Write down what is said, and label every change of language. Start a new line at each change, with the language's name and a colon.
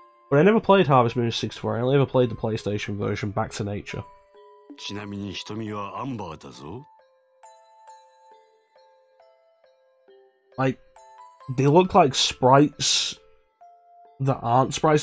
English: But I never played Harvest Moon 64. I only ever played the PlayStation version, Back to Nature.
Japanese: ちなみに瞳はアンバーだぞ。
English: Like, they look like sprites that aren't sprites.